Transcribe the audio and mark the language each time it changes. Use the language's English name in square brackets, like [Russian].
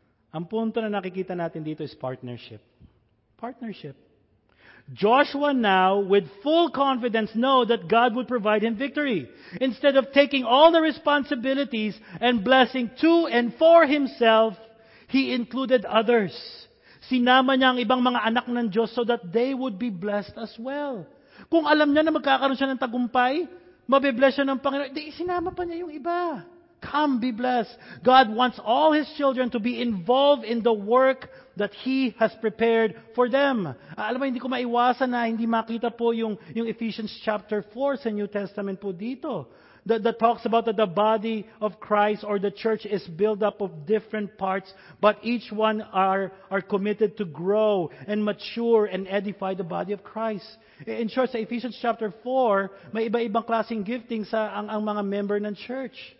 [Filipino] Ang punto na nakikita natin dito is partnership. Partnership. [English] Joshua now, with full confidence, know that God would provide him victory. Instead of taking all the responsibilities and blessing to and for himself, he included others. [Filipino] Sinama niya ang ibang mga anak ng Diyos [English] so that they would be blessed as well. [Filipino] Kung alam niya na magkakaroon siya ng tagumpay, mabibless siya ng Panginoon, di isinama pa niya yung iba. [English] Come, be blessed. God wants all His children to be involved in the work that He has prepared for them. [Filipino] Alam mo, hindi ko maiwasan na hindi makita po yung Ephesians chapter 4 sa New Testament po dito. [English] That talks about that the body of Christ or the church is built up of different parts, but each one are committed to grow and mature and edify the body of Christ. [Filipino] In short, sa Ephesians chapter 4, may iba-ibang klaseng gifting sa ang mga member ng church.